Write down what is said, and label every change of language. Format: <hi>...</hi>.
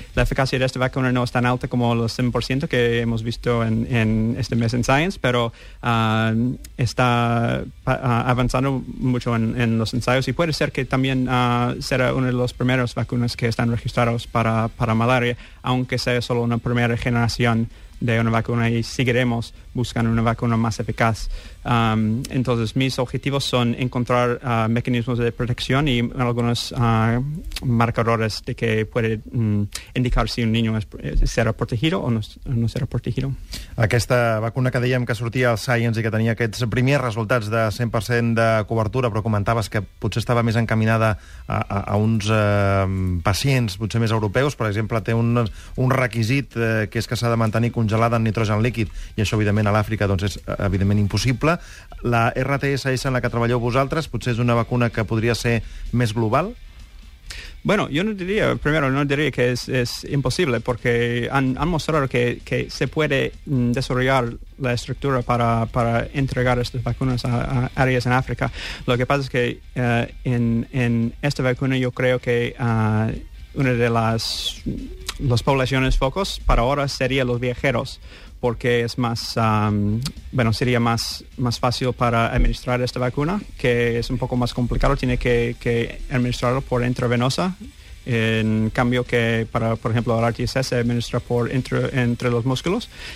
<es>La eficacia de esta vacuna no es tan alta como los 100% que hemos visto en este mes en Science, pero está avanzando mucho en los ensayos, y puede ser que también será una de las primeras vacunas que están registradas para malaria, aunque sea solo una primera generación de una vacuna, y seguiremos buscando una vacuna más eficaz. Entonces, mis objetivos son encontrar mecanismos de protección y algunos marcadores de que puede indicar si un niño será protegido o no será protegido.</es> <ca>Aquesta vacuna que dèiem que sortia al Science i que tenia aquests primers resultats de 100% de cobertura, però comentaves que potser estava més encaminada a uns pacients potser més europeus, per exemple, té un requisit que és que s'ha de mantenir congelada en nitrogen líquid, i això evidentment a l'Àfrica doncs és evidentment impossible. La RTSS en la que treballeu vosaltres potser és una vacuna que podria ser més global?</ca> <es>Bueno, yo no diría, primero, no diría que es imposible, porque han mostrado que se puede desarrollar la estructura para entregar estas vacunas a áreas en África. Lo que pasa es que en esta vacuna yo creo que una de las poblaciones focos para ahora sería los viajeros, porque es más sería más fácil para administrar esta vacuna, que es un poco más complicado, tiene que administrarlo por intravenosa, en cambio que para, por ejemplo, el RTSS se administra por entre los músculos.</es>